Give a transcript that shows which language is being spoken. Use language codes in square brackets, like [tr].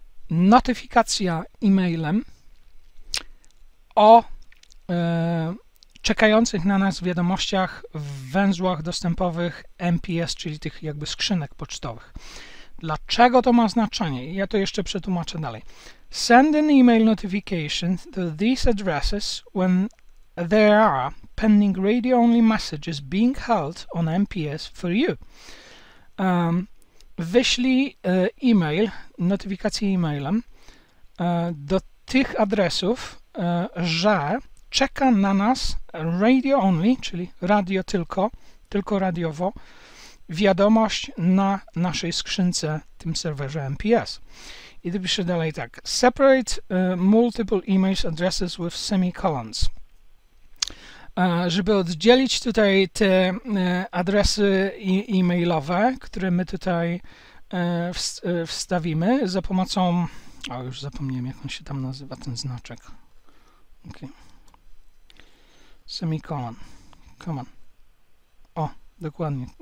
[pl] Notyfikacja e-mailem o czekających na nas wiadomościach w węzłach dostępowych MPS, czyli tych jakby skrzynek pocztowych. Dlaczego to ma znaczenie? Ja to jeszcze przetłumaczę dalej. [en] Send an email notification to these addresses when there are pending radio-only messages being held on MPS for you. [pl] Wyślij e-mail, notyfikację e-mailem do tych adresów, że czeka na nas radio only, czyli radio tylko radiowo, wiadomość na naszej skrzynce, tym serwerze MPS. I to pisze dalej tak. [en] Separate multiple email addresses with semicolons. [pl] Żeby oddzielić tutaj te adresy e-mailowe, które my tutaj wstawimy za pomocą... O, już zapomniałem, jak on się tam nazywa, ten znaczek. Okay. Semikolon. [en] Come on. [pl] O, dokładnie.